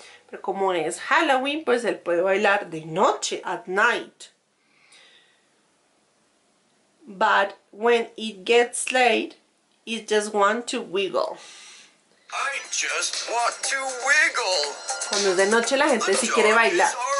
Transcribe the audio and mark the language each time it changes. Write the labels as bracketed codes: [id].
[es] Pero como es Halloween, pues él puede bailar de noche, [en] at night. But when it gets late, he just wants to wiggle. I just want to wiggle. [es] Cuando es de noche la gente sí quiere bailar.